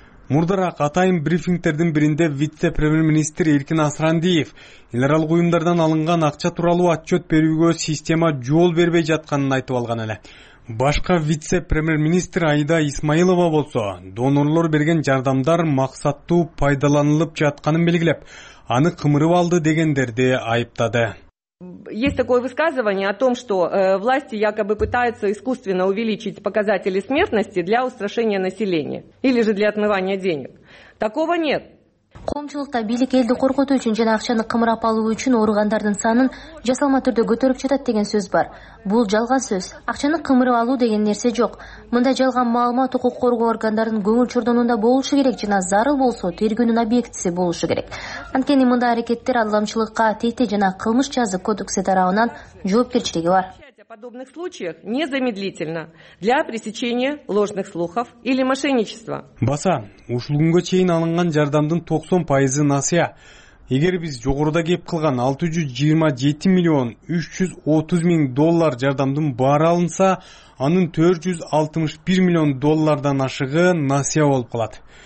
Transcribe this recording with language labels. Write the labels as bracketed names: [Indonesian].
[Kyrgyz] Мурдараак атайын брифингтердин биринде вице премьер министр Эркин Асрандиев эл аралык уюмдардан алынган акча тууралуу отчет берүүгө система жол бербей жатканын айтып алган эле. Башка вице премьер министр Айда Исмаилова болсо, донорлор берген жардамдар максаттуу пайдаланылып жатканын белгилеп, аны кымырып алды дегендерди айыптады. [Russian] Есть такое высказывание о том, что власти якобы пытаются искусственно увеличить показатели смертности для устрашения населения или же для отмывания денег. Такого нет. [Kyrgyz] Коомчулукта бийлик элди коркутуу үчүн жана акчаны кымырап алуу үчүн ооругандардын санын жасалма түрдө көтөрүп жатат деген сөз бар. Бул жалган сөз. Акчаны кымырап алуу деген нерсе жок. Мындай жалган маалымат укук коргоо органдарынын көңүл чордонунда болушу керек жана зарыл болсо тергөөнүн объектиси болушу керек. Анткени мындай аракеттер аламчылыкка тийти жана кылмыш жазы кодексе тарабынан жоопкерчилиги бар. [Russian] Подобных случаях незамедлительно для пресечения ложных слухов или мошенничества. [Kyrgyz] Баса, ушул күнгө чейин алынган жардамдын 90% насыя. Эгер биз жогоруда кеп кылган 627 миллион 330 миң доллар жардамдын баары алынса, анын 461 миллион доллардан ашыгы насыя болуп калат.